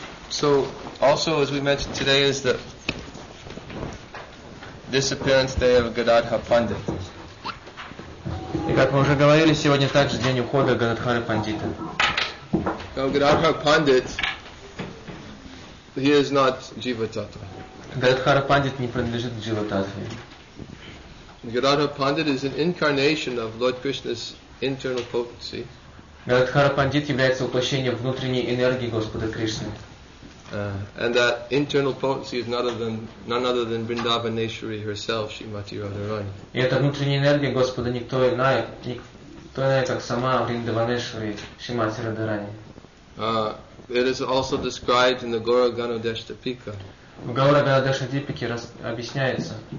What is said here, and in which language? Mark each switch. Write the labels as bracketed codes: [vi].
[en] So as we mentioned, today is the disappearance day of Gadadhar Pandit. [ru] И как мы уже говорили, сегодня также день ухода Гададхары Пандита. [en] Now Gadadhar Pandit, he is not Jiva Tattva. [ru] Гададхара Пандит не принадлежит Jiva Tattva. [en] Gadadhar Pandit is an incarnation of Lord Krishna's internal potency. [ru] Гададхара Пандит является воплощением внутренней энергии Господа Кришны. [en] And that internal potency is none other than Vrindavaneshwari herself, Srimati Radharani. [ru] И эта внутренняя энергия Господа никто иной, как сама Вриндаванешвари Шримати Радхарани. [en] It is also described in the Gaura Ganodeshtapika. [ru] В Гаура Ганодештапике объясняется